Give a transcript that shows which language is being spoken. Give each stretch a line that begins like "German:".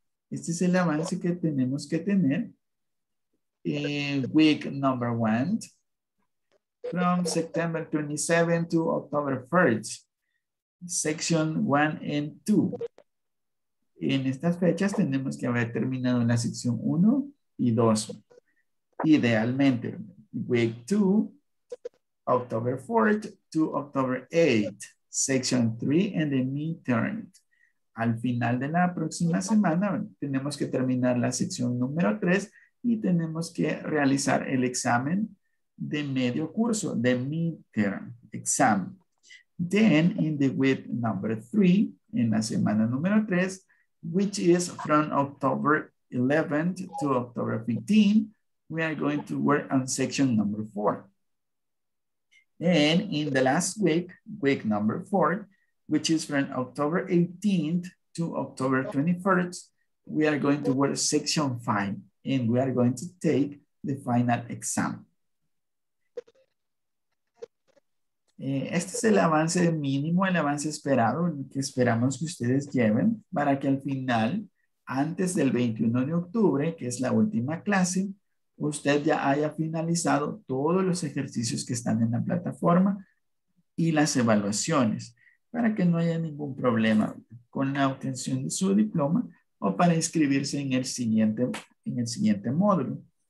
Spanish: Este es el avance que tenemos que tener.
English: Week number one. From September 27 to October 1st. Section 1 and 2.
Spanish: En estas fechas tenemos que haber terminado la sección 1 y 2.
English: Idealmente, week 2, October 4th to October 8th, section 3 and the midterm.
Spanish: Al final de la próxima semana tenemos que terminar la sección número 3 y tenemos que realizar el examen de medio curso, de midterm exam.
English: Then in the week number 3,
Spanish: en la semana número 3,
English: which is from October 11th to October 15th, we are going to work on section number 4. And in the last week, week number 4, which is from October 18th to October 21st, we are going to work section 5 and we are going to take the final exam.
Spanish: Este es el avance mínimo, el avance esperado que esperamos que ustedes lleven para que al final, antes del 21 de octubre, que es la última clase, usted ya haya finalizado todos los ejercicios que están en la plataforma y las evaluaciones para que no haya ningún problema con la obtención de su diploma o para inscribirse en el siguiente módulo.